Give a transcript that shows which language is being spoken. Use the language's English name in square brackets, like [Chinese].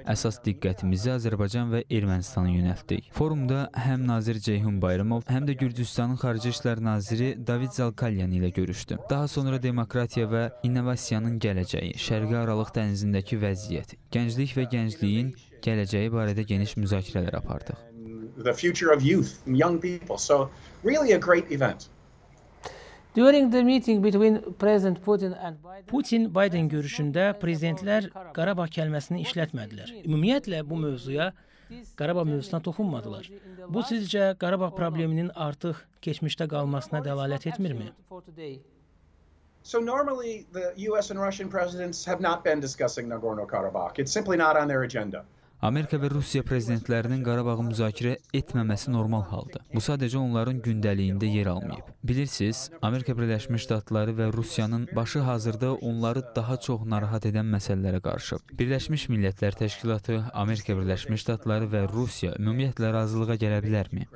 [Azerbaijani] Əsas diqqətimizi Azərbaycan və Ermənistanı yönəltdik. Forumda həm Nazir Ceyhun Bayramov, həm də Gürcüstanın Xarici İşlər Naziri David Zalkalyan ilə görüşdüm. Daha sonra demokratiya və innovasiyanın gələcəyi, Şərqi Aralıq dənizindəki vəziyyət, gənclik və gəncliyin gələcəyi barədə geniş müzakirələr apardıq. [English] The future of youth, young people. So really a great event. During the meeting between President Putin and Biden, [Azerbaijani] Putin-Biden görüşündə prezidentlər Qarabağ kəlməsini işlətmədilər. Ümumiyyətlə bu mövzuya, Qarabağ mövzusuna toxunmadılar. Bu sizcə Qarabağ probleminin artıq keçmişdə qalmasına dəlalət etmirmi? [English] So normally the US and Russian presidents have not been discussing Nagorno-Karabakh. It's simply not on their agenda. [Azerbaijani] Amerika və Rusiya prezidentlərinin Qarabağı müzakirə etməməsi normal haldır. Bu, sadəcə onların gündəliyində yer almayıb. Bilirsiniz, Amerika Birləşmiş Ştatları və Rusiyanın başı hazırda onları daha çox narahat edən məsələlərə qarışıb. Birləşmiş Millətlər Təşkilatı, Amerika Birləşmiş Ştatları və Rusiya ümumiyyətlə razılığa gələ bilərmi?